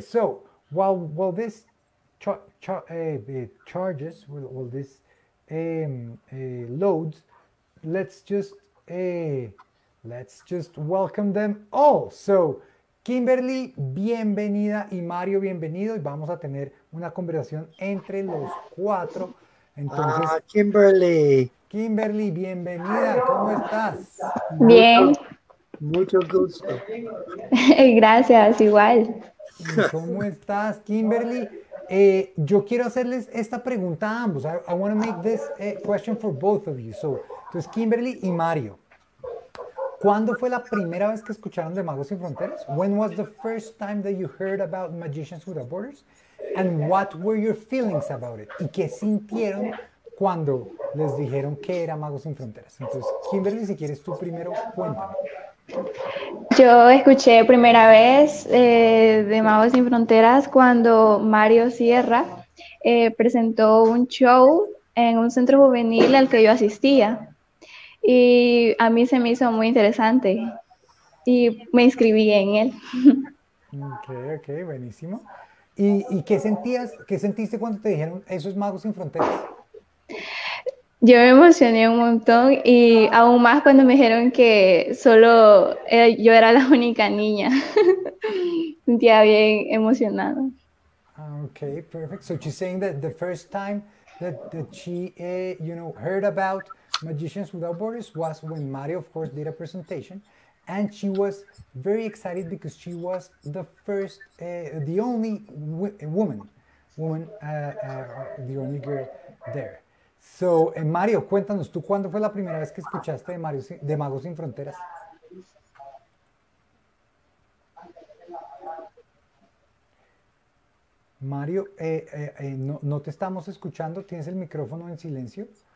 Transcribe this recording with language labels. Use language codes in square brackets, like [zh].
[en] So while this charges with all this loads, let's just welcome them all. [es] So Kimberly, bienvenida, y Mario, bienvenido, y vamos a tener una conversación entre los cuatro. Entonces, Kimberly, bienvenida. ¿Cómo estás? Bien, mucho gusto. Gracias, igual. ¿Cómo estás, Kimberly? Yo quiero hacerles esta pregunta a ambos. [en] I want to make this question for both of you. [es] So, entonces Kimberly y Mario, ¿cuándo fue la primera vez que escucharon de Magos Sin Fronteras? [en] When was the first time that you heard about Magicians Without Borders? And what were your feelings about it? [es] ¿Y qué sintieron cuando les dijeron que era Magos Sin Fronteras? Entonces, Kimberly, si quieres tú primero, cuéntame. Yo escuché primera vez de Magos Sin Fronteras cuando Mario Sierra presentó un show en un centro juvenil al que yo asistía, y a mí se me hizo muy interesante y me inscribí en él. Ok, buenísimo. ¿Y qué sentiste cuando te dijeron eso es Magos Sin Fronteras? Yo me emocioné un montón, y aún más cuando me dijeron que solo yo era la única niña. Sentía bien emocionado. [en] Okay, perfect. So she's saying that the first time that she you know, heard about Magicians Without Borders was when Mario, of course, did a presentation, and she was very excited because she was the first, the only woman, the only girl there. [es] So, Mario, cuéntanos, ¿tú cuándo fue la primera vez que escuchaste de Magos Sin Fronteras? Mario, no te estamos escuchando, tienes el micrófono en silencio.